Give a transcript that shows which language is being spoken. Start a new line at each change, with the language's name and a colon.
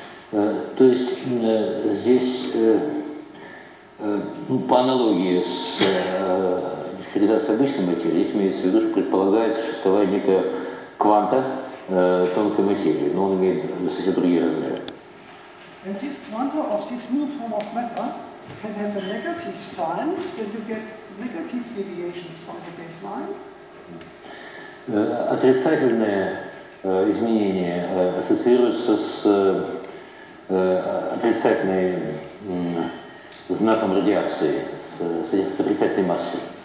Russian: То есть здесь по аналогии с дискретизацией обычной материи, здесь имеется в виду, что предполагается существование некого кванта тонкой материи, но он имеет совсем другие размеры.
English: And this quanta of this new form of matter can have a negative sign, so you get negative deviations from the baseline.
Russian: Отрицательные изменения ассоциируются с отрицательным знаком радиации, с отрицательной массой.